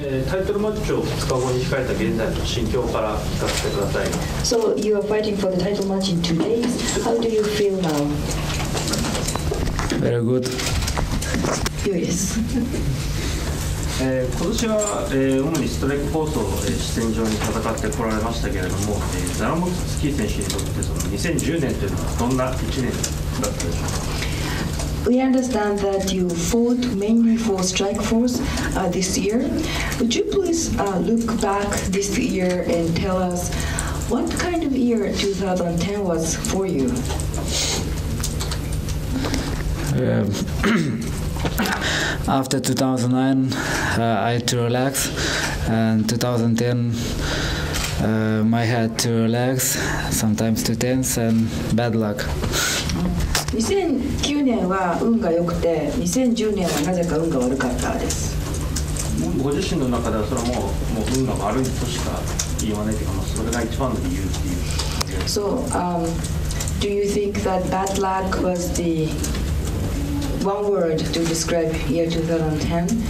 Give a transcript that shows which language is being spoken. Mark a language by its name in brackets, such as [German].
[Japanese] タイトルマッチを2日後に控えた現在の心境から聞かせてください。 [English] So you are fighting for the title match in 2 days. How do you feel now? Very good. Yes. [Japanese] 今年は、主にストライクコースを視線上に戦ってこられましたけれども、ザラモフスキー選手にとってその2010年というのはどんな1年だったでしょうか。 [English] We understand that you fought mainly for strike force this year. Would you please look back this year and tell us what kind of year 2010 was for you? After 2009, I had to relax, and 2010, I had to relax, sometimes too tense and bad luck. [Japanese] 2009年は運が良くて、2010年はなぜか運が悪かったです。ご自身の中ではそれはもう運が悪いとしか言わないというか、まあ、それが一番の理由っていう。 [English] So, do you think that bad luck was the one word to describe year 2010?